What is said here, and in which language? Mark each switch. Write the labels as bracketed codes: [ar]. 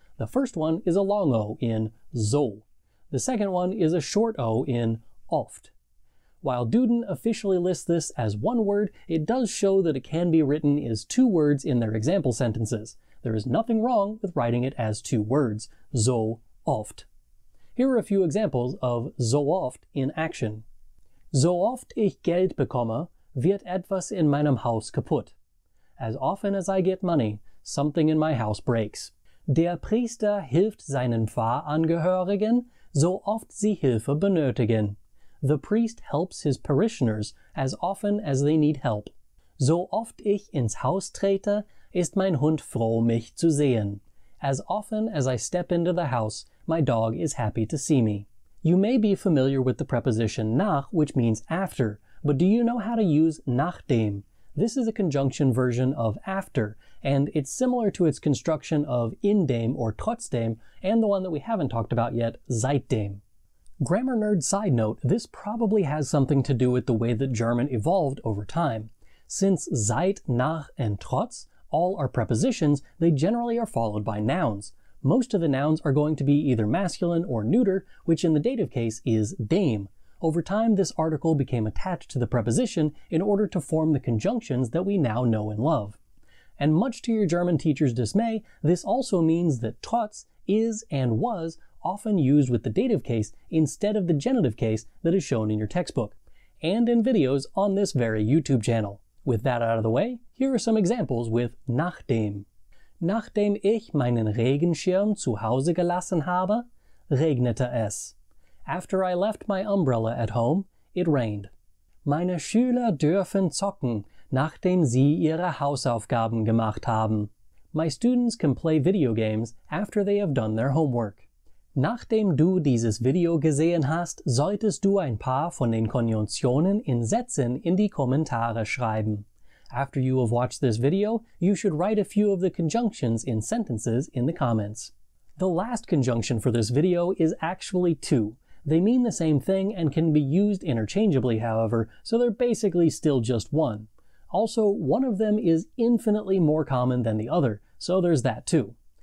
[en] The first one is a long O in so. The second one is a short O in oft. While Duden officially lists this as one word, it does show that it can be written as two words in their example sentences. There is nothing wrong with writing it as two words, so oft. Here are a few examples of so oft in action. [de] So oft ich Geld bekomme, wird etwas in meinem Haus kaputt. [en] As often as I get money, something in my house breaks. [de] Der Priester hilft seinen Pfarrangehörigen, so oft sie Hilfe benötigen. [en] The priest helps his parishioners as often as they need help. [de] So oft ich ins Haus trete, ist mein Hund froh, mich zu sehen. [en] As often as I step into the house, my dog is happy to see me. You may be familiar with the preposition nach, which means after, but do you know how to use nachdem? This is a conjunction version of after, and it's similar to its construction of indem or trotzdem, and the one that we haven't talked about yet, seitdem. Grammar nerd side note, this probably has something to do with the way that German evolved over time. Since seit, nach, and trotz all are prepositions, they generally are followed by nouns. Most of the nouns are going to be either masculine or neuter, which in the dative case is dem. Over time, this article became attached to the preposition in order to form the conjunctions that we now know and love. And much to your German teacher's dismay, this also means that trotz is and was often used with the dative case instead of the genitive case that is shown in your textbook, and in videos on this very YouTube channel. With that out of the way, here are some examples with nachdem. [de] Nachdem ich meinen Regenschirm zu Hause gelassen habe, regnete es. [en] After I left my umbrella at home, it rained. [de] Meine Schüler dürfen zocken, nachdem sie ihre Hausaufgaben gemacht haben. [en] My students can play video games after they have done their homework. [de] Nachdem du dieses Video gesehen hast, solltest du ein paar von den Konjunktionen in Sätzen in die Kommentare schreiben. [en] After you have watched this video, you should write a few of the conjunctions in sentences in the comments. The last conjunction for this video is actually two. They mean the same thing and can be used interchangeably, however, so they're basically still just one. Also, one of them is infinitely more common than the other, so there's that too.